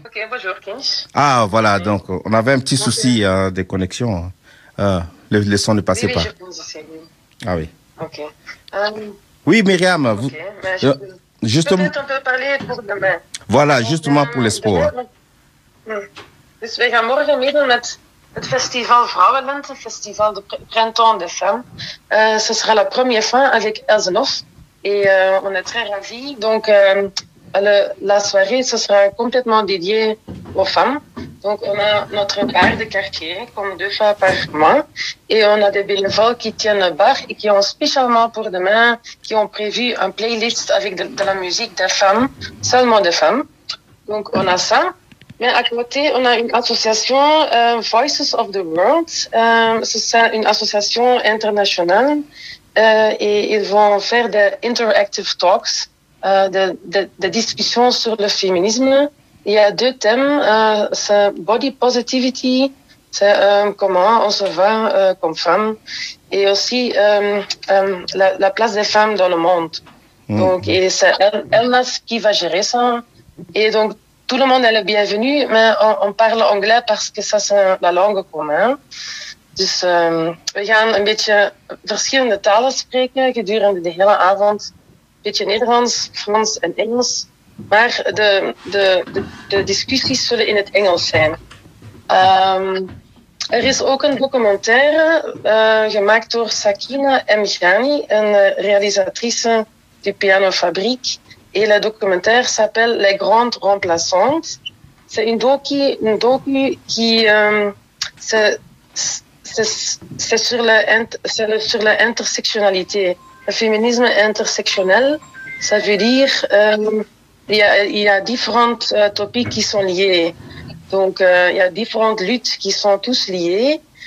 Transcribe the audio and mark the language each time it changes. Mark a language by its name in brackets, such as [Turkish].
[French] Ok, bonjour Kinch. Ah voilà, oui. Donc on avait un petit souci des connexions. Le son ne passait pas. Oui, je pense aussi. Ah oui. Ok. Oui, Myriam, okay. Vous... justement... Peut-être on peut parler pour demain. Voilà, justement pour l'espoir. [Dutch] Dus wij gaan morgen meedoen met het festival Vrouwenlente, [French] festival de printemps des femmes. Ce sera la première fois avec Elsenhof. Et on est très ravis. Donc, la soirée, ce sera complètement dédiée aux femmes. Donc, on a notre bar de quartier, comme deux fois par mois. Et on a des bénévoles qui tiennent le bar et qui ont spécialement pour demain, qui ont prévu un playlist avec de la musique des femmes, seulement des femmes. Donc, on a ça. Mais à côté, on a une association, Voices of the World. C'est une association internationale. Et ils vont faire des interactive talks, des discussions sur le féminisme. Il y a deux thèmes, c'est body positivity, c'est comment on se voit comme femme, et aussi la place des femmes dans le monde. Donc, et c'est Elna qui va gérer ça. Et donc, tout le monde est le bienvenu, mais on parle anglais parce que ça, c'est la langue commune. [Dutch] Dus we gaan een beetje verschillende talen spreken gedurende de hele avond. Een beetje Nederlands, Frans en Engels. Maar de discussies zullen in het Engels zijn. Er is ook een documentaire gemaakt door Sakina Mghani, een [French] realisatrice du [Dutch] Piano Fabrique. [French] Et le documentaire s'appelle Les Grandes Remplaçantes. C'est une docu qui c'est sur l'intersectionnalité. Le féminisme intersectionnel, ça veut dire... Il y a différents topics qui sont liés. Donc, il y a différentes luttes qui sont tous liées.